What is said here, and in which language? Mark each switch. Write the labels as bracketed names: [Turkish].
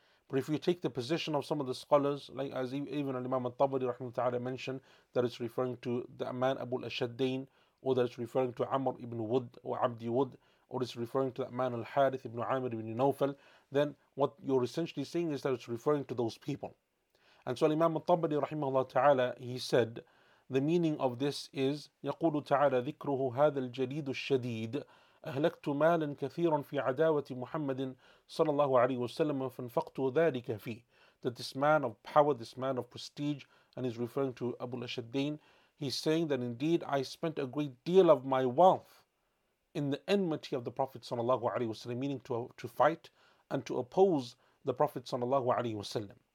[English] But if you take the position of some of the scholars, like as even Imam al-Tabari rahimahu ta'ala mentioned, that it's referring to the man Abu al-Ashaddain, or that it's referring to Amr ibn Wud or Abdi Wud, or it's referring to that man al-Harith ibn Amr ibn Nawfal, then what you're essentially saying is that it's referring to those people. And so Imam al-Tabari rahimahullah ta'ala, he said, the meaning of this is, [Arabic] يَقُولُ تَعَالَى ذِكْرُهُ هَذَا الْجَلِيدُ الشَّدِيدُ أَهْلَكْتُ مَالًا كَثِيرًا فِي عَدَاوَةِ مُحَمَّدٍ صَلَى اللَّهُ عَلَيْهُ وَسَلَّمَ فَانْفَقْتُ ذَلِكَ فِيهِ. [English] That this man of power, this man of prestige, and he's referring to Abu al-Ashaddain, he's saying that indeed I spent a great deal of my wealth in the enmity of the Prophet sallallahu alaihi wasallam, meaning to fight and to oppose the Prophet sallallahu alaihi wasallam.